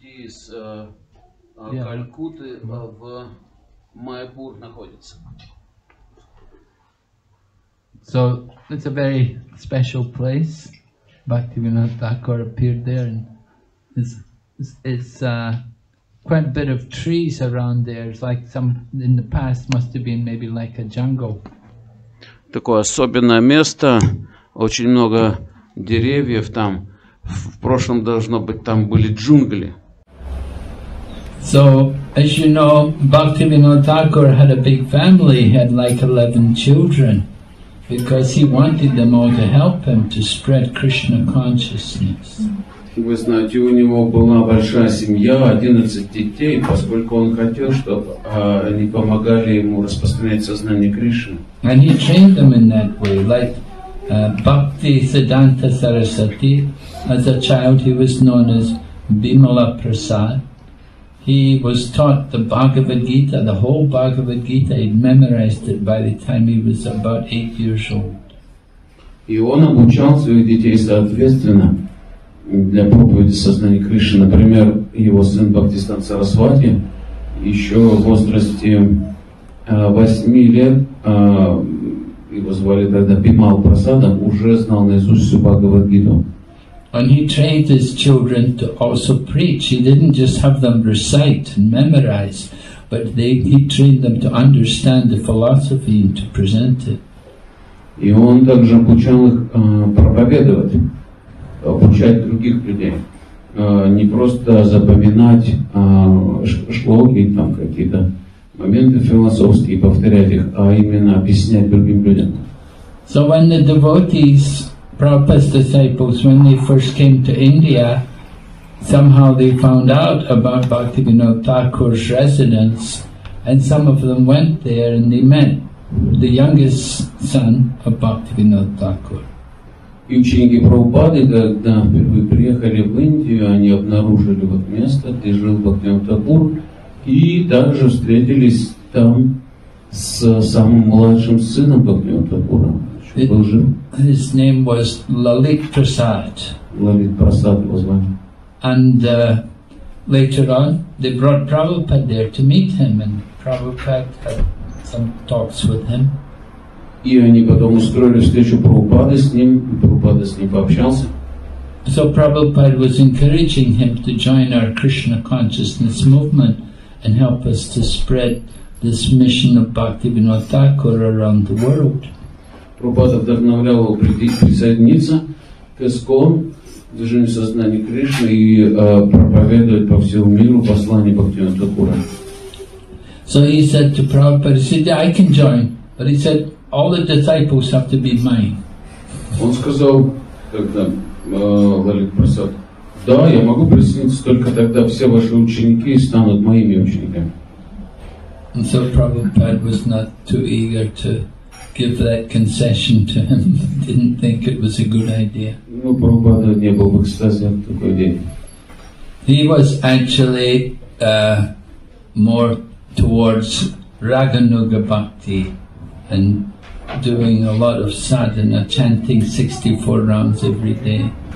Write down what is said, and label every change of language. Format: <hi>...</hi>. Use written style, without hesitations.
<en>So it's a very special place. Bhaktivinod Thakur appeared there, and it's quite a bit of trees around there. It's like some in the past must have been maybe like a jungle.</en> <ru>Такое особенное место, очень много деревьев там. В прошлом должно быть там были джунгли.</ru> <en>So, as you know, Bhaktivinod Thakur had a big family. He had like 11 children because he wanted them all to help him to spread Krishna consciousness.</en> <ru>Вы знаете, у него была большая семья, 11 детей, поскольку он хотел, чтобы они помогали ему распространять сознание Кришны.</ru> <en>And he trained them in that way, like Bhakti Siddhanta Sarasvati. As a child, he was known as Bimala Prasad. He was taught the Bhagavad Gita, the whole Bhagavad Gita. He'd memorized it by the time he was about 8 years old.</en> <ru>И он обучал своих детей соответственно для проповеди сознания Кришны. Например, его сын Бхактисиддханта Сарасвати еще в возрасте 8 лет, его звали тогда Бимал Прасадом, уже знал наизусть всю Бхагавад-гиту.</ru> <en>And he trained his children to also preach. He didn't just have them recite and memorize, but he trained them to understand the philosophy and to present it.</en> <ru>И он также обучал их проповедовать, обучать других людей, не просто запоминать шлоки, там какие-то моменты философские, повторять их, а именно объяснять другим людям.</ru> <en>So when the devotees, Prabhupada's disciples, when they first came to India, somehow they found out about Bhaktivinod Thakur's residence, and some of them went there and they met the youngest son of Bhaktivinod Thakur.</en> <ru>И ученики Прабхупады, когда впервые приехали в Индию, они обнаружили вот место, где жил Бхактивинод Тхакур, и также встретились там с самым младшим сыном Бхактивинода Тхакура.</ru> <en>His name was Lalit Prasad. Lalit Prasad was my name. And later on, they brought Prabhupada there to meet him, and Prabhupada had some talks with him.</en> <ru>И они потом устроили встречу Прабхупады с ним, и Прабхупада с ним пообщался.</ru> <en>So Prabhupada was encouraging him to join our Krishna consciousness movement and help us to spread this mission of Bhaktivinoda Thakur around the world.</en> <ru>Прабхупада вдохновлял его присоединиться к ИСККОН, движению сознания Кришны, и проповедовать по всему миру послание Бхактивинода Такура.</ru> <en>So he said to Prabhupada, he said, yeah, I can join, but he said, all the disciples have to be mine.</en> <ru>Он сказал тогда, Лалит Прасад, да, я могу присоединиться, только тогда все ваши ученики станут моими учениками.</ru> <en>And so Prabhupada was not too eager to give that concession to him. Didn't think it was a good idea.</en> <ru>Ну, Прабхупада не был в экстазе от такой идеи.</ru> <en>He was actually more towards Raganuga Bhakti and doing a lot of sadhana, chanting 64 rounds every day.</en>